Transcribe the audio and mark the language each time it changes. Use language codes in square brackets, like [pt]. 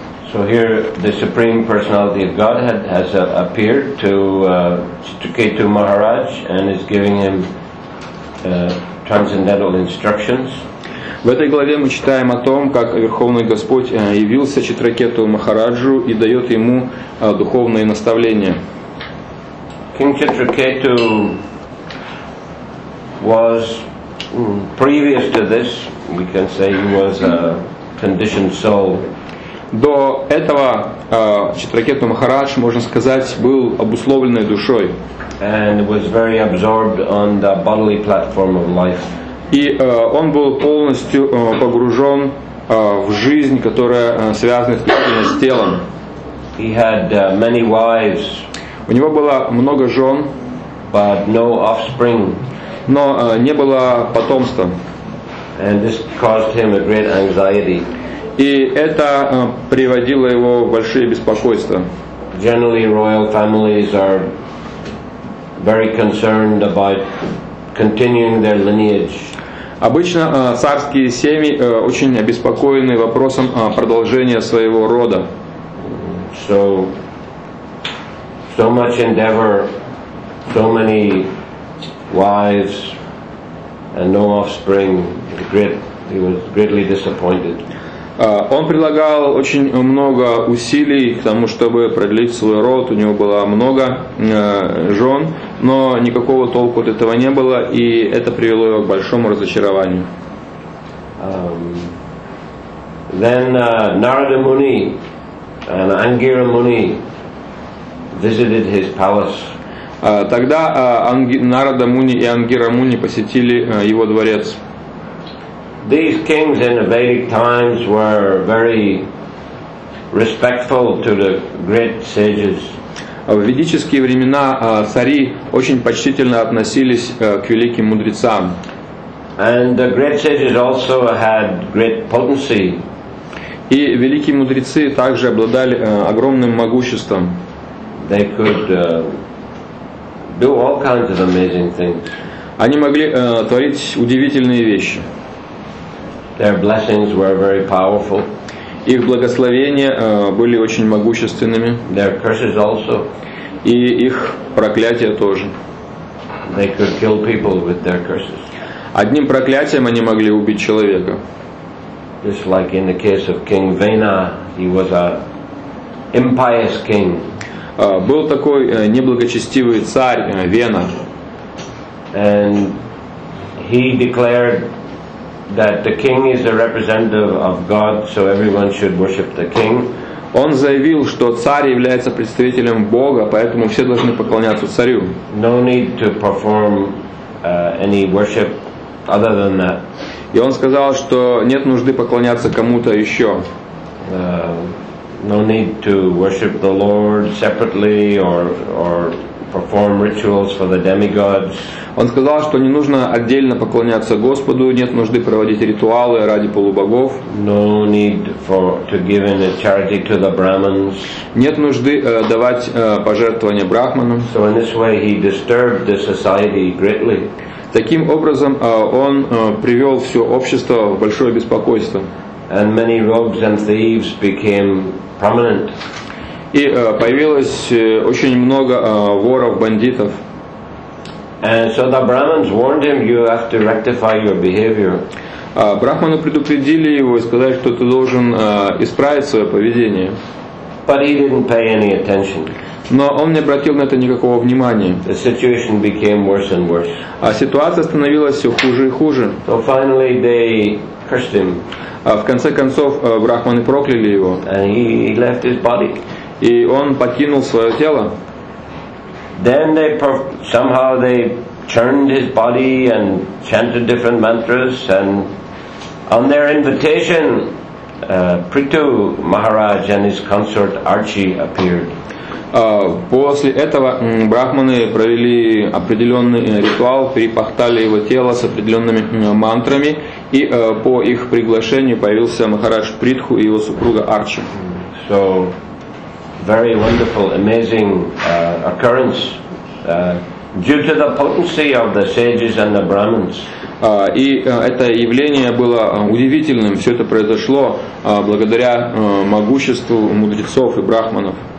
[en] So here the Supreme Personality of Godhead has appeared to Chitraketu Maharaj and is giving him transcendental instructions. [ru] В этой главе мы читаем о том, как Верховный Господь явился Читракету Махараджу и дает ему духовные наставления. [en] King Chitraketu was previous to this, we can say he was a conditioned soul. [ru] До этого Читракету Махарадж, можно сказать, был обусловленной душой. [en] And was very absorbed on the bodily platform of life. [ru] И он был полностью погружен в жизнь, которая связана исключительно с телом. [en] He had many wives. [ru] У него было много жен, [en] but no offspring. [ru] Но не было потомства. [en] And this caused him a great anxiety. [ru] И это приводило его в большие беспокойства. [en] Generally, royal families are very concerned about continuing their lineage. [ru] Обычно царские семьи очень обеспокоены вопросом продолжения своего рода. [en] So much endeavor, so many wives, and no offspring. He was greatly disappointed. [ru] Он прилагал очень много усилий к тому, чтобы продлить свой род. У него было много жен, но никакого толку от этого не было, и это привело его к большому разочарованию. [en] Narada Muni and Angira Muni visited his palace. [ru] Тогда Нарада Муни и Ангира Муни посетили его дворец. [en] These kings in the Vedic times were very respectful to the great sages. [ru] В ведические времена цари очень почтительно относились к великим мудрецам. [en] And the great sages also had great potency. [ru] И великие мудрецы также обладали огромным могуществом. [en] They could do all kinds of amazing things. [ru] Они могли творить удивительные вещи. [en] Their blessings were very powerful. [ru] Их благословения были очень могущественными. [en] Their curses also. [ru] И их проклятия тоже. [en] They could kill people with their curses. [ru] Одним проклятием они могли убить человека. [en] Just like in the case of King Vena, he was an impious king. [ru] Был такой неблагочестивый царь Вена. [en] And he declared that the king is the representative of God, so everyone should worship the king. [ru] Он заявил, что царь является представителем Бога, поэтому все должны поклоняться царю. [en] No need to perform any worship other than that. [ru] И он сказал, что нет нужды поклоняться кому-то еще. [en] No need to worship the Lord separately or perform rituals for the demigods. [ru] Он сказал, что не нужно отдельно поклоняться Господу, нет нужды проводить ритуалы ради полубогов. [en] No need to give any charity to the Brahmins. [ru] Нет нужды давать пожертвования брахманам. [en] So in this way he disturbed the society greatly. [ru] Таким образом он привел все общество в большое беспокойство. [en] And many rogues and thieves became prominent. [ru] И появилось очень много воров, бандитов. [en] And so the Brahmins warned him, you have to rectify your behavior. [ru] Брахманы предупредили его и сказали, что ты должен исправить свое поведение. [en] But he didn't pay any attention. [ru] Но он не обратил на это никакого внимания. [en] The situation became worse and worse. [ru] А ситуация становилась все хуже и хуже. [en] So finally they cursed him. [ru] В конце концов брахманы прокляли его. [en] And he left his body. [ru] И он покинул свое тело. [en] Then somehow they churned his body and chanted different mantras, and on their invitation, Prithu Maharaj and his consort Archie appeared. [ru] После этого брахманы провели определенный ритуал, перепахтали его тело с определенными мантрами, и по их приглашению появился Махарадж Притху и его супруга Арчи. [en] So, very wonderful, amazing occurrence due to the potency of the sages and the Brahmins. [ru] И это явление было удивительным. Все это произошло благодаря могуществу мудрецов и брахманов.